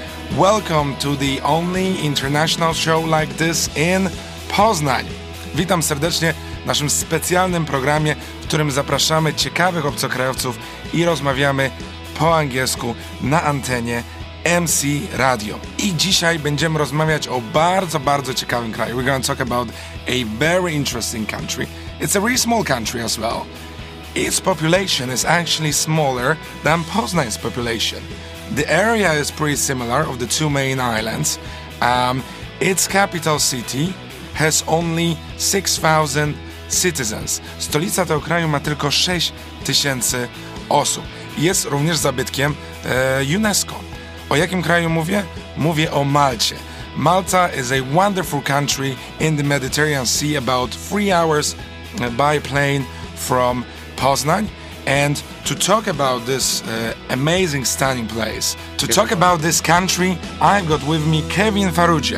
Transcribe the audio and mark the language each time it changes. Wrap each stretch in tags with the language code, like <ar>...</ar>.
<en>Welcome to the only international show like this in Poznań.</en> <pl>Witam serdecznie w naszym specjalnym programie, w którym zapraszamy ciekawych obcokrajowców i rozmawiamy po angielsku na antenie MC Radio. I dzisiaj będziemy rozmawiać o bardzo, bardzo ciekawym kraju.</pl> <en>We're going to talk about a very interesting country. It's a really small country as well. Its population is actually smaller than Poznań's population. The area is pretty similar of the two main islands. Its capital city has only 6,000 citizens.</en> <pl>Stolica tego kraju ma tylko 6,000 osób. Jest również zabytkiem UNESCO. O jakim kraju mówię? Mówię o Malcie.</pl> <en>Malta is a wonderful country in the Mediterranean Sea, about 3 hours by plane from Poznań. And to talk about this amazing, stunning place, to talk about this country, I've got with me Kevin Farrugia.</en>